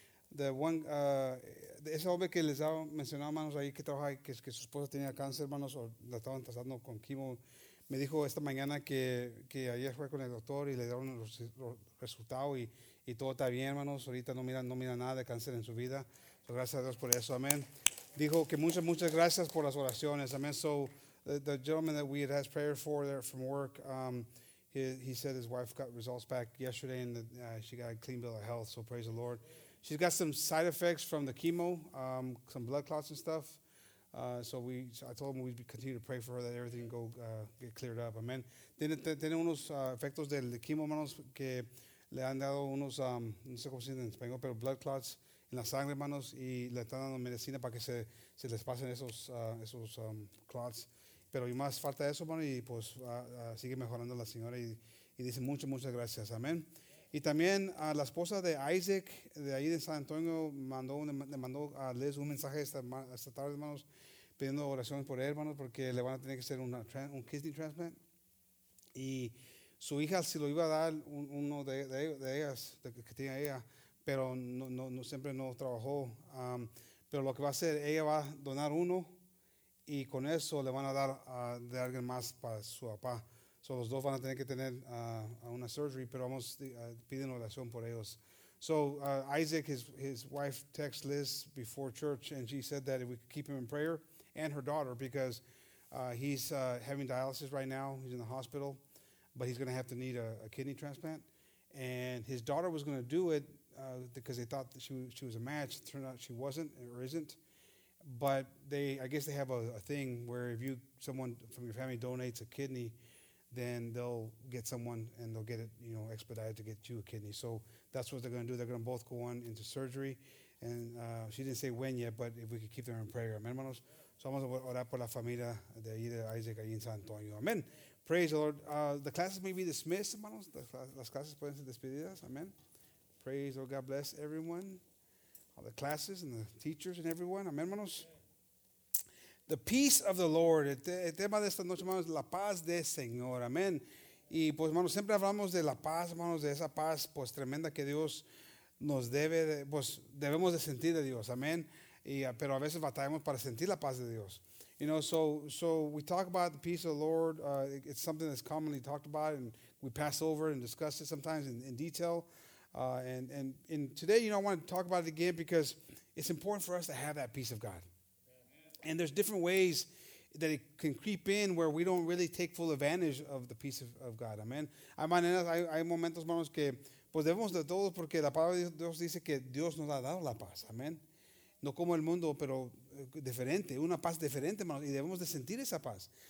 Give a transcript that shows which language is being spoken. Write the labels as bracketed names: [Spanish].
[English] The one, [Spanish] ese hombre que les ha mencionado, hermanos, ahí que trabaja, que su esposa tenía cáncer, hermanos, o la estaban tratando con quimo, me dijo esta mañana que ayer fue con el doctor y le dieron los resultados y todo está bien, hermanos. Ahorita no mira nada de cáncer en su vida. Gracias a Dios por eso, amén. Dijo que muchas gracias por las oraciones, amén. [English] So, the gentleman that we had asked prayer for there from work, he said his wife got results back yesterday and she got a clean bill of health, so praise the Lord. She's got some side effects from the chemo, some blood clots and stuff. I told him we'd continue to pray for her that everything go get cleared up, [Spanish] amén. Tiene unos efectos del chemo, hermanos, que le han dado unos, no sé cómo se dice en español, pero [English] blood clots. [Spanish] En la sangre, hermanos, y le están dando medicina para que se les pasen esos clots. Pero y más falta eso, hermano, y pues sigue mejorando la señora y dice muchas gracias, amén. Y también a la esposa de Isaac, de ahí de San Antonio, le mandó a Liz un mensaje esta tarde, hermanos, pidiendo oraciones por él, hermanos, porque le van a tener que hacer un [English] kidney transplant. [Spanish] Y su hija se lo iba a dar uno de ellas, de que tenía ella, pero no siempre no trabajó, pero lo que va a hacer, ella va a donar uno y con eso le van a dar de alguien más para su papá. So los dos van a tener que tener una [English] surgery, [Spanish] pero vamos piden oración por ellos. [English] So Isaac, his wife texted Liz before church and she said that if we could keep him in prayer and her daughter, because he's having dialysis right now, he's in the hospital, but he's going to have to need a kidney transplant, and his daughter was going to do it because they thought that she was a match. It turned out she wasn't or isn't. But they have a thing where if someone from your family donates a kidney, then they'll get someone and they'll get it, you know, expedited to get you a kidney. So that's what they're going to do. They're going to both go on into surgery. And she didn't say when yet, but if we could keep them in prayer. [Spanish] Amen, hermanos. So vamos a orar por la familia de ahí de Isaac ahí en San Antonio. [English] Amen. Praise the Lord. The classes may be dismissed, [Spanish] hermanos. Las clases pueden ser despedidas. Amen. Praise the Lord. [English] God bless everyone, all the classes and the teachers and everyone. [Spanish] Amen, hermanos. [English] The peace of the Lord. [Spanish] El tema de esta noche, hermanos, la paz del Señor. Amen. Y pues, hermanos, siempre hablamos de la paz, hermanos, de esa paz, pues, tremenda que Dios nos debe, pues, debemos de sentir de Dios. Amen. Pero a veces batallamos para sentir la paz de Dios. [English] You know, so we talk about the peace of the Lord. It's something that's commonly talked about, and we pass over and discuss it sometimes in detail. And today, you know, I want to talk about it again because it's important for us to have that peace of God. Amen. And there's different ways that it can creep in where we don't really take full advantage of the peace of God. Amen. [Spanish] Hay momentos, hermanos, que pues debemos de todos porque la palabra de Dios dice que Dios nos ha dado la paz. Amen. No como el mundo, pero diferente, una paz diferente, hermanos, y debemos de sentir esa paz.